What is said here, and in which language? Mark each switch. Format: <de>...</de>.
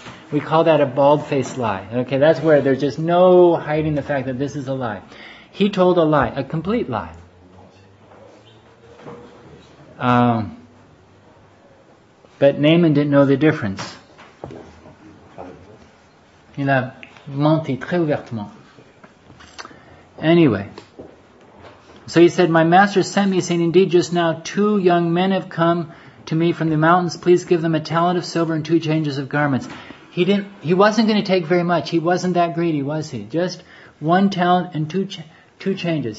<en>We call that a bald-faced lie. Okay, that's where there's just no hiding the fact that this is a lie. He told a lie, a complete lie. But Naaman didn't know the difference.</en> <fr>Il a menti très ouvertement.</fr> <en>Anyway, so he said, my master sent me, saying, indeed, just now two young men have come to me from the mountains. Please give them a talent of silver and two changes of garments. He wasn't going to take very much. He wasn't that greedy, was he? Just one talent and two changes.</en>